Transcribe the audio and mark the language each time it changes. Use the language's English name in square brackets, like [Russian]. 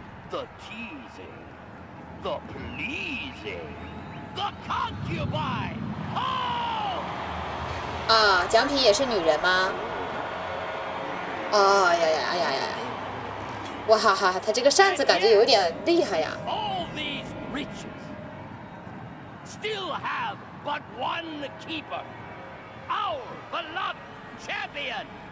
[English] The teasing, the pleasing, the concubine. [Chinese] Oh! 啊，奖品也是女人吗？哎呀！哇哈哈，他这个扇子感觉有点厉害呀。 [English] All these riches still have but one keeper, our beloved champion,